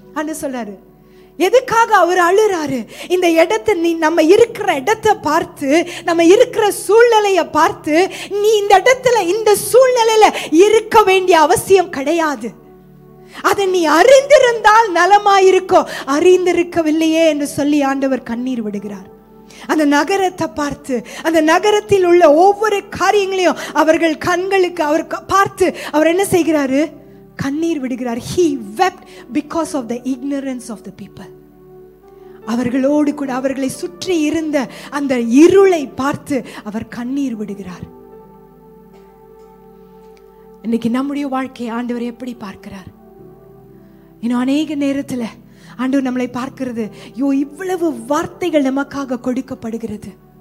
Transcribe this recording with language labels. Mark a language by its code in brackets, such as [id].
[ta] அன்னு சொல்றாரு, எதுக்காக அவர் அழுறாரு? இந்த இடத்தை நீ, நம்ம இருக்கிற இடத்தை பார்த்து, நம்ம இருக்கிற சூழ்நிலையை பார்த்து, நீ இந்த இடத்துல இந்த சூழ்நிலையில இருக்க வேண்டிய அவசியம் கிடையாது. அதை நீ அறிந்திருந்தால் நலமா இருக்கும். அறிந்திருக்கவில்லையே என்று சொல்லி ஆண்டவர் கண்ணீர் விடுகிறார். அந்த நகரத்தை பார்த்து, அந்த நகரத்தில் உள்ள ஒவ்வொரு காரியங்களையும் அவர்கள் கண்களுக்கு அவர் பார்த்து அவர் என்ன செய்கிறாரு? கண்ணீர் விடுகிறார். [en] He wept because of the ignorance of the people. [ta] அவர்களோடு கூட அவர்களை சுற்றி இருந்த அந்த இருளை பார்த்து அவர் கண்ணீர் விடுகிறார். இன்னைக்கு நம்முடைய வாழ்க்கையை ஆண்டவர் எப்படி பார்க்கிறார்? இன்னும் அநேக நேரத்தில் ஆண்டவர் நம்மளை பார்க்கிறது, யோ இவ்வளவு வார்த்தைகள் நமக்காக கொடுக்கப்படுகிறது.